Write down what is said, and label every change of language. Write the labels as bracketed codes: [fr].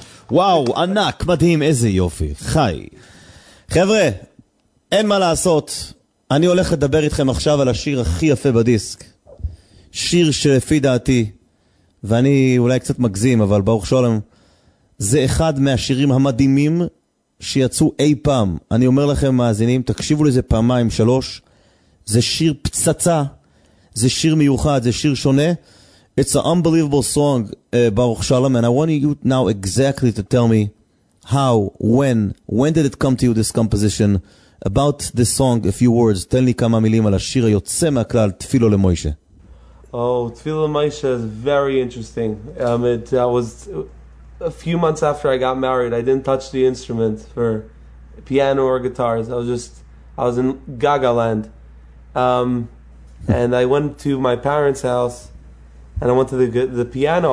[he] Wow, anak, madhim, eze yofi, chai Chevre, en ma laasot אני הולך לדבר איתכם עכשיו על השיר הכי יפה בדיסק. שיר שלפי דעתי, ואני אולי קצת מגזים, אבל ברוך שולם, זה אחד מהשירים המדהימים שיצאו אי פעם. אני אומר לכם, מאזינים, תקשיבו לזה פעמיים, שלוש. זה שיר פצצה. זה שיר מיוחד, זה שיר שונה. [en] It's an unbelievable song, ברוך שולם, and I want you now exactly to tell me how, when did it come to you, this composition, about this song, a few words. Tell me [he] כמה מילים על השיר היוצא מהכלל, תפילו למוישה. [en] Oh, תפילו למוישה is very interesting. I was a few months after I got married, I didn't touch the instrument for piano or guitars. I was in Gaga land. And I went to my parents' house and I went to the piano.